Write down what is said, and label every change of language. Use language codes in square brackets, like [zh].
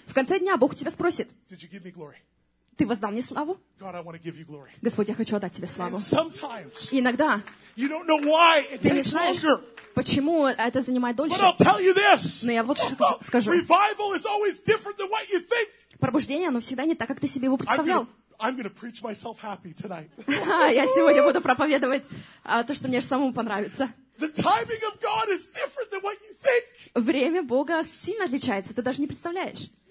[ru] В конце дня Бог тебя спросит. [en] Did you give me glory? [ru] Ты воздал мне славу? [en] God, I want to give you glory. [ru] Господь, я хочу отдать тебе славу. [en] And sometimes. [ru] Иногда. [en] You don't know why it takes longer. [ru] Почему это занимает дольше? [en] But I'll tell you this. [ru] Но я вот что скажу. [en] Revival is always different than what you think. [ru] Пробуждение, оно всегда не так, как ты себе его представлял. [en] I'm going to preach myself happy tonight. [ru] Я сегодня буду проповедовать то, что мне же самому понравится. [en] The timing of God is different than what you think. [ru] Время Бога сильно отличается, ты даже не представляешь.